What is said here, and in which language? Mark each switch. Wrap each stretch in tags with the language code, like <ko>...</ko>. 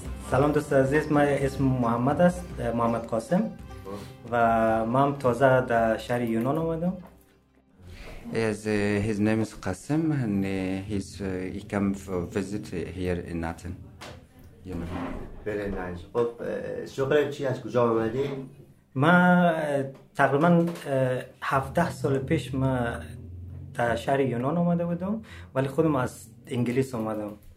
<fa>سلام دوست عزیز من اسم محمد است محمد قاسم و من تازه در شهر یونان اومدم</fa> <en>his name is Qasim and he came for visit here in Athens you know very nice</en> <fa>خب شغل چی از کجا اومدی من تقریبا 17 سال پیش من در شهر یونان اومده بودم ولی خودم از انگلیس اومدم</fa>